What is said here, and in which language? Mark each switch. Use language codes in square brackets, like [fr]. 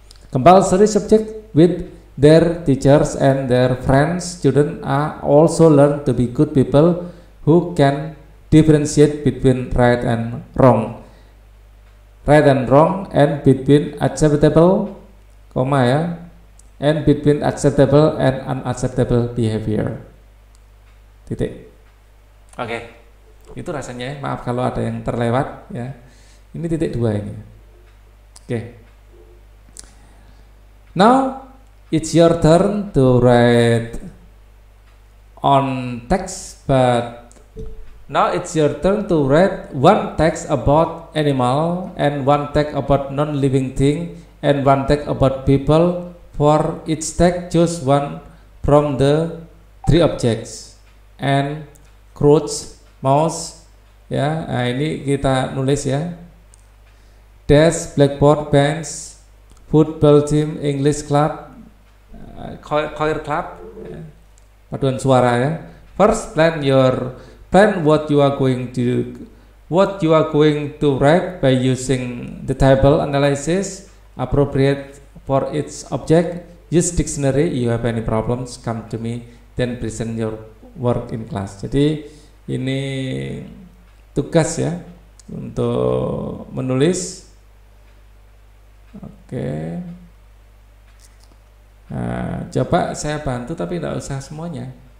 [en] Compulsory subject with their teachers and their friends, students are also learn to be good people who can differentiate between right and wrong. Right and wrong and between acceptable, comma ya, and between acceptable and unacceptable behavior. [id] Titik. Oke. [en] Okay. [id] Itu rasanya, maaf kalau ada yang terlewat ya. Ini titik dua ini. Oke. Okay. [en] Now it's your turn to write on text, but now it's your turn to write one text about animal and one text about non-living thing and one text about people. For each text, choose one from the three objects. [id] And crotch, mouse, ya, nah ini kita nulis ya. [en] Desk, blackboard, bench, football team, English club, choir club, [id] paduan suara ya. [en] First, plan what you are going to do, what you are going to write by using the table analysis appropriate for each object. Use dictionary. You have any problems, come to me, then present your work in class. [id] Jadi ini tugas ya untuk menulis. Oke. Okay. Nah, coba saya bantu tapi enggak usah semuanya.